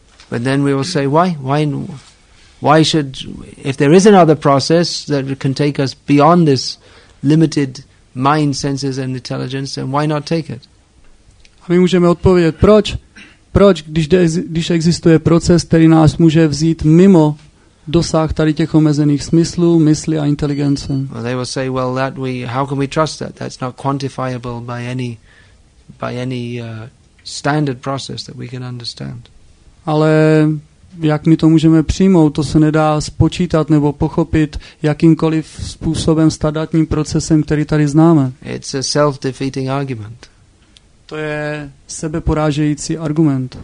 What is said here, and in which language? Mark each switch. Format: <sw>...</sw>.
<en>But then we will say, why should, if there is another process that can take us beyond this limited mind, senses and intelligence, then why not take it?</en> <cs>A my můžeme odpovědět, proč? Proč, když existuje proces, který nás může vzít mimo dosah tady těch omezených smyslů, mysli a inteligence?</cs> <en>Well, they will say, well, that we, how can we trust that? That's not quantifiable by any standard process that we can understand.</en> <cs>Ale jak my to můžeme přijmout, to se nedá spočítat nebo pochopit jakýmkoliv způsobem standardním procesem, který tady známe.</cs> <en>It's a self-defeating argument.</en> <cs>To je sebeporážející argument.</cs>